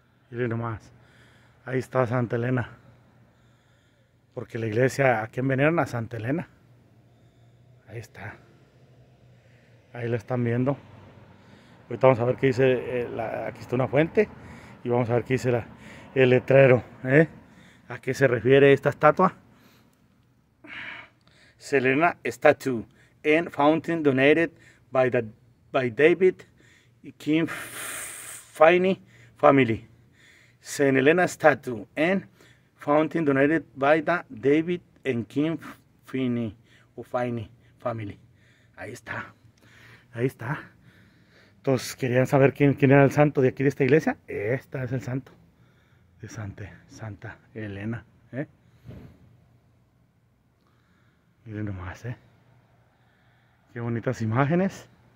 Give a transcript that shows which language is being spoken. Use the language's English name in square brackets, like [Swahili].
[Spanish] Mire nomás. Ahí está Santa Elena. Porque la iglesia, ¿a quién venían? A Santa Elena. Ahí está. Ahí la están viendo. Ahorita vamos a ver qué dice, aquí está una fuente. Y vamos a ver qué dice el letrero, ¿A qué se refiere esta estatua? [English] Selena Statue and Fountain donated by the David King Finney Family. Selena Statue and Fountain donated by the David and King Finney [Spanish] o [English] Finney Family. [Spanish] Ahí está. Ahí está. Entonces, ¿querían saber quién era el santo de aquí de esta iglesia? Esta es el santo. De Santa Elena, Miren nomás, Qué bonitas imágenes.